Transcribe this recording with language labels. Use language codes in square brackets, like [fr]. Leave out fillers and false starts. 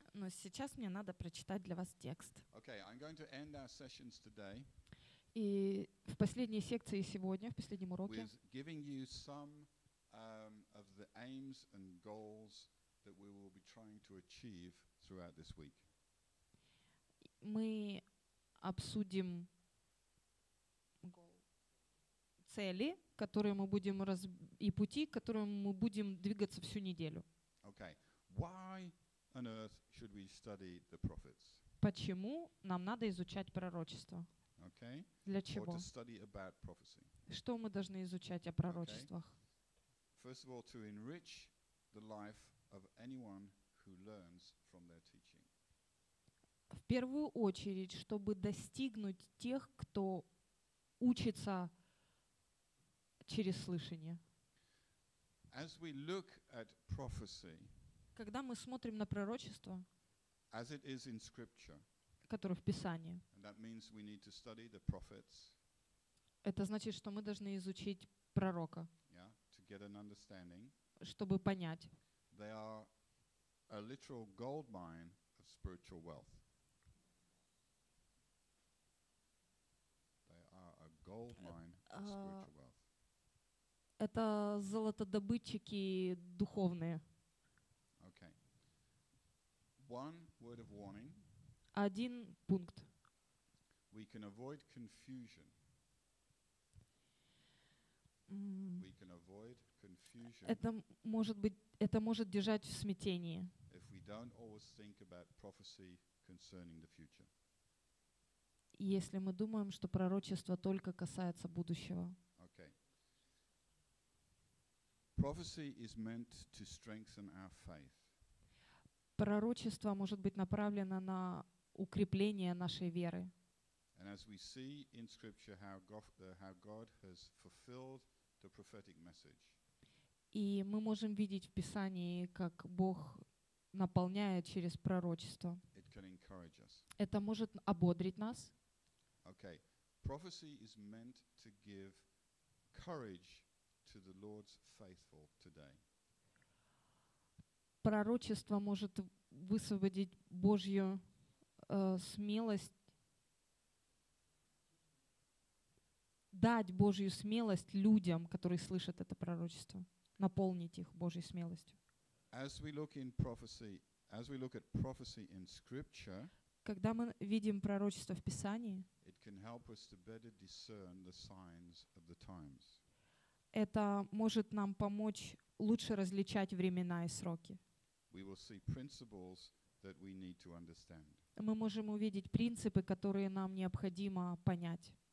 [ru] Но сейчас мне надо прочитать для вас текст. [en] Okay, I'm going to end our sessions today. [ru] И в последней секции сегодня, в последнем уроке. [en] With giving you some of the aims and goals that we will be trying to achieve throughout this week. [ru] Мы обсудим цели, которые мы будем и пути, к которым мы будем двигаться всю неделю. [en] Okay. Why on earth should we study the prophets? [ru] Почему нам надо изучать пророчество? [en] Okay. [ru] Для чего? [en] Or to study about prophecy. [ru] Что мы должны изучать о пророчествах? [en] Okay. First of all, to enrich the life of anyone who learns from their teaching. [ru] В первую очередь, чтобы достигнуть тех, кто учится через слышание. [en] As we look at prophecy, [ru] когда мы смотрим на пророчество, [en] as it is in scripture, [ru] которое в Писании, [en] and that means we need to study the prophets, [ru] это значит, что мы должны изучить пророка, [en] yeah, to get an understanding, [ru] чтобы понять. [en] They are a literal gold mine of spiritual wealth. They are a gold mine of spiritual wealth. [ru] Это золотодобытчики духовные. [en] Okay. One word of warning. [ru] Один пункт. [en] We can avoid confusion. Mm. We can avoid confusion. [ru] Это может держать в смятении. [en] If we don't always think about prophecy concerning the future. [ru] Если мы думаем, что пророчество только касается будущего. [en] Okay. Prophecy is meant to strengthen our faith. [ru] Пророчество может быть направлено на укрепление нашей веры. [en] And as we see in scripture how God has fulfilled the prophetic message. [ru] И мы можем видеть в Писании, как Бог наполняет через пророчество. [en] It can encourage us. [ru] Это может ободрить нас. [en] Okay. Prophecy is meant to give courage to the Lord's faithful today. [ru] Пророчество может высвободить Божью смелость, дать Божью смелость людям, которые слышат это пророчество, наполнить их Божьей смелостью. [en] As we look in prophecy, as we look at prophecy in scripture, [ru] когда мы видим пророчество в Писании, [en] it can help us to better discern the signs of the times. [ru] Это может нам помочь лучше различать времена и сроки. [en] We will see principles that we need to understand. [ru] Мы можем увидеть принципы, которые нам необходимо понять.